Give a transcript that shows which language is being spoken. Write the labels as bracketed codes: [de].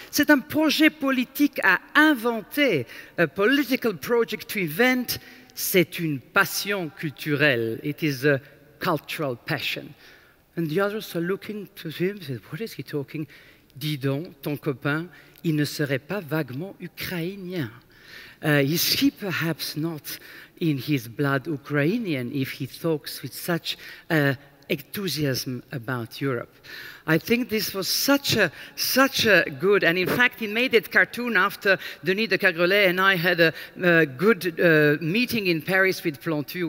[fr] C'est un projet politique à inventer, [en] a political project to invent. [fr] C'est une passion culturelle. [en] It is a cultural passion. And the others are looking to him, say, what is he talking? [fr] Dis donc, ton copain, il ne serait pas vaguement ukrainien. [en] Is he perhaps not in his blood Ukrainian if he talks with such enthusiasm about Europe? I think this was such a good, and in fact, he made that cartoon after Denis de Cagrelet and I had a good meeting in Paris with Plantu.